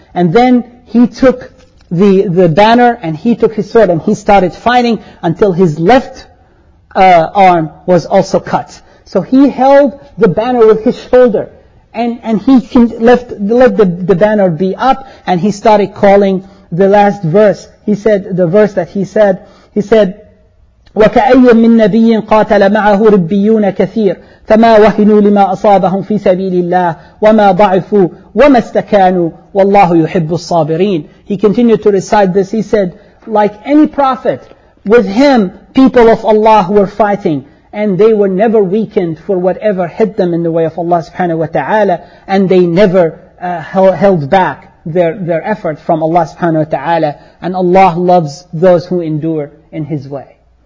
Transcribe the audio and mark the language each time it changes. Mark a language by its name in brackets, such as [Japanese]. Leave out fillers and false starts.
[English] And then he took the banner and he took his sword and he started fighting until his left arm was also cut. So he held the banner with his shoulder and he let the banner be up, and he started calling the last verse. He said the verse that he said [Arabic] وَكَأَيَّ مِن نَبِيٍّ قَاتَلَ مَعَهُ رِبِّيُّونَ كَثِيرٌ فَمَا وَهِنُوا لِمَا أَصَابَهُمْ فِي سَبِيلِ اللَّهِ وَمَا ضَعِفُوا وَمَا اسْتَكَانُوا وَاللَّهُ يُحِبُّ الصَّابِرِينَ. [English] He continued to recite this. He said, like any prophet, with him, people of Allah were fighting, and they were never weakened for whatever hit them in the way of Allah subhanahu wa ta'ala, and they never held back their effort from Allah subhanahu wa ta'ala, and Allah loves those who endure in His way.